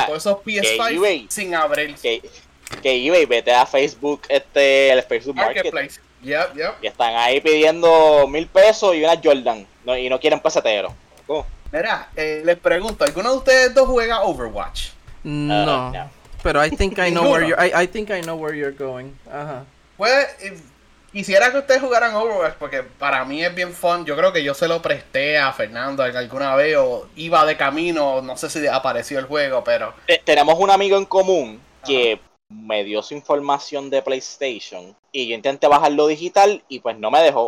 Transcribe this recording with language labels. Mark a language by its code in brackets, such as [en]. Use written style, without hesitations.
[es] Todos esos PS5 eBay, sin abrir. Que eBay, vete a Facebook, el Facebook Marketplace. [en] Yep. [es] Y están ahí pidiendo 1000 pesos y una Jordan. No, y no quieren pesetero. Mira, les pregunto, ¿alguno de ustedes dos juega Overwatch? No. [en] Pero I think I know where you're going. [es] Ajá. Pues, quisiera que ustedes jugaran Overwatch porque para mí es bien fun. Yo creo que yo se lo presté a Fernando alguna vez o iba de camino. No sé si apareció el juego, pero... Tenemos un amigo en común que... Ajá. Me dio su información de PlayStation y yo intenté bajarlo digital y pues no me dejó.